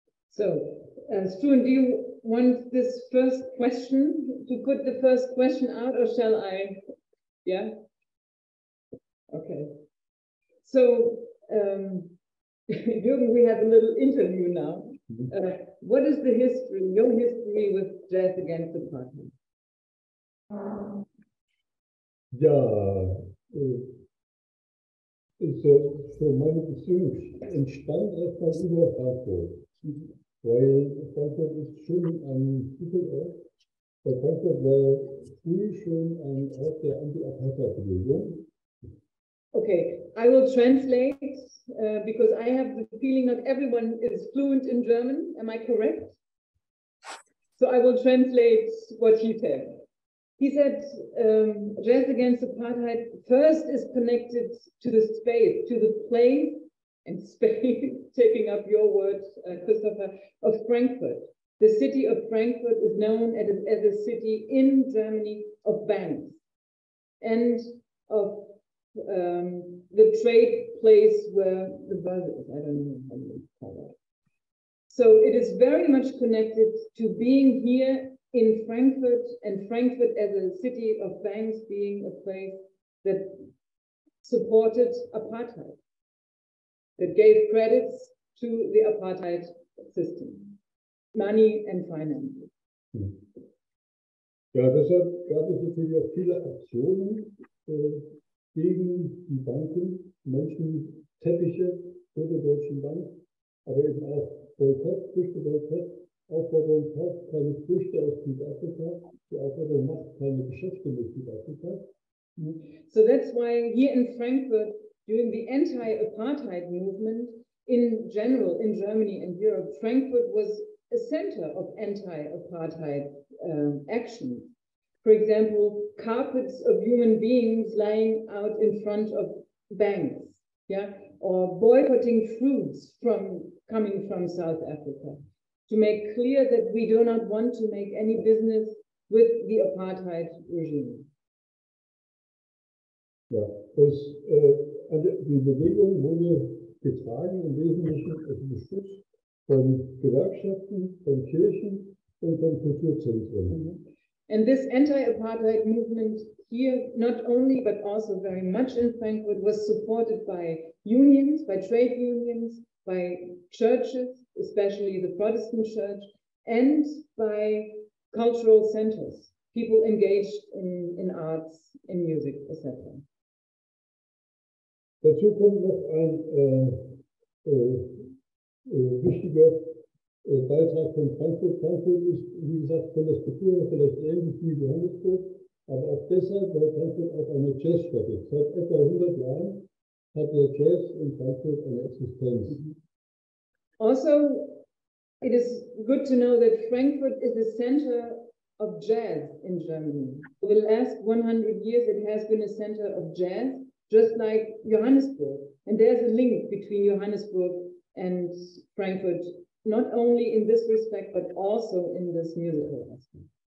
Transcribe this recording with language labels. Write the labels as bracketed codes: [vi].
[en] So, Struan, do you want this first question, to put the first question out, or shall I? Yeah? Okay. So, Juergen, we have a little interview now. What is the history, your history with Jazz Against Apartheid? So for [de] meine Beziehung entstand etwas über Frankfurt, weil Frankfurt ist schon ein Titelort. Der Frankfurt war früh schon ein Ort der Anti-Apartheid-Bewegung. [en] Okay, I will translate because I have the feeling that everyone is fluent in German. Am I correct? So I will translate what he said. He said, Jazz Against Apartheid first is connected to the space, to the place and space, taking up your word, Christopher, of Frankfurt. The city of Frankfurt is known as a city in Germany of banks and of the trade place where the buzz is. I don't know how to call it. So it is very much connected to being here in Frankfurt, and Frankfurt as a city of banks being a place that supported apartheid, that gave credits to the apartheid system, money and finances. [de] Ja, deshalb gab es natürlich auch viele Aktionen gegen die Banken, Menschen, Teppiche vor der Deutschen Bank, aber eben auch Boykott, Früchte Boykott. Aufforderung kauft keine Früchte aus Südafrika, die Aufforderung macht keine Geschäfte mit Südafrika. [en] So that's why here in Frankfurt, during the anti-apartheid movement, in general, in Germany and Europe, Frankfurt was a center of anti-apartheid action. For example, carpets of human beings lying out in front of banks, yeah, or boycotting fruits from coming from South Africa, to make clear that we do not want to make any business with the apartheid regime. [de] Ja, das, die Bewegung wurde getragen im Wesentlichen von Gewerkschaften, von Kirchen und von Kulturzentren. [en] And this anti-apartheid movement here, not only but also very much in Frankfurt, was supported by unions, by trade unions, by churches, especially the Protestant church, and by cultural centers, people engaged in arts, in music, etc. [de] Dazu kommt noch ein wichtiger Beitrag von Frankfurt. Frankfurt ist, wie gesagt, von der Struktur vielleicht ähnlich wie Johannesburg, aber auch deshalb, weil Frankfurt auch eine Jazzstadt ist. Seit etwa 100 Jahren hat der Jazz in Frankfurt eine Existenz. [en] Also, it is good to know that Frankfurt is the center of jazz in Germany. For the last 100 years, it has been a center of jazz, just like Johannesburg. And there's a link between Johannesburg and Frankfurt, not only in this respect, but also in this musical aspect.